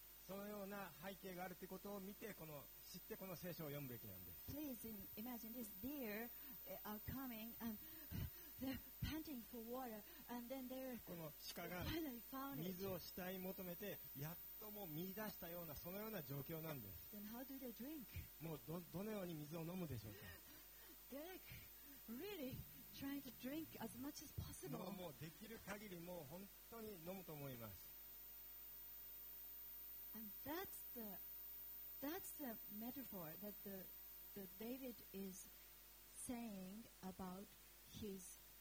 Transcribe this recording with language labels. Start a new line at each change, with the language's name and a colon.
Japanese: そのような背景があるということを見てこの知ってこの聖書を読むべきなんです。
English: Please imagine this deer are coming andPanting for water, and then they're
Japanese: この鹿が水を下へ求めてやっともう見出したようなそのような状況なんです。
English: Then how do they drink?
Japanese: もう どのように水を飲むでしょうか。
English: They're like really trying to drink as much as possible.
Japanese: もうできる限りもう本当に飲むと思います。
English: And that's the metaphor that the David is saying about his.